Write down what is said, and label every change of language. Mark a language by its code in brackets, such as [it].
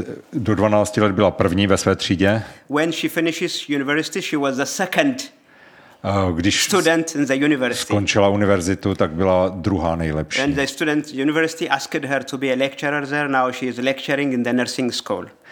[cs] Do 12 let byla první ve své třídě. [en] When she finishes university, she was the second student in the university. [cs] Skončila univerzitu, tak byla druhá nejlepší. [en] And the student university asked her to be a lecturer there. Now she is lecturing in the nursing school.